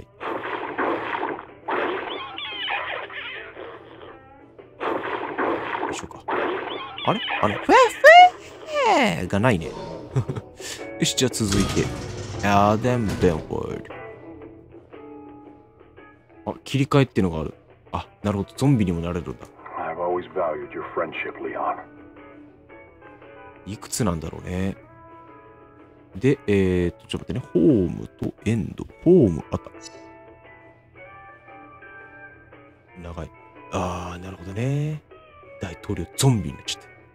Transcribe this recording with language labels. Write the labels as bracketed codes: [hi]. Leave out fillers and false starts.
[ja] よいしょか。あれ？あの、フェフェフェがないね。よし、じゃあ続いて。アーデンベンホール。あ、切り替えっていうのがある。あ、なるほど。ゾンビにもなれるんだ。 [en] I've always valued your friendship, Leon. [ja] いくつなんだろうね。で、ちょっと待ってね。ホームとエンド。ホーム、あった。長い。あー、なるほどね。大統領、ゾンビになっちゃった。